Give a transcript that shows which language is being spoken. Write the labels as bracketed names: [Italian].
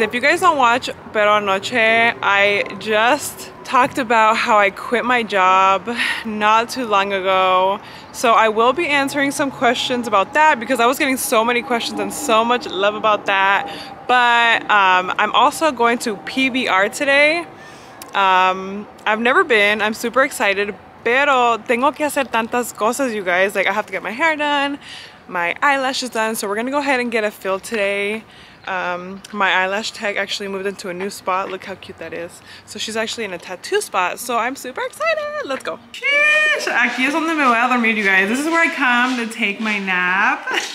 [English] If you guys don't watch Pero Anoche, I just talked about how I quit my job not too long ago. So I will be answering some questions about that because I was getting so many questions and so much love about that. But I'm also going to PBR today. I've never been. I'm super excited. [Spanish] Pero tengo que hacer tantas cosas, [English] you guys. Like, I have to get my hair done, my eyelashes done. So we're gonna go ahead and get a fill today. My eyelash tech actually moved into a new spot. Look how cute that is. So she's actually in a tattoo spot. So I'm super excited. Let's go. Sheesh, [Spanish] aquí es donde me voy a dormir, [English] you guys. This is where I come to take my nap.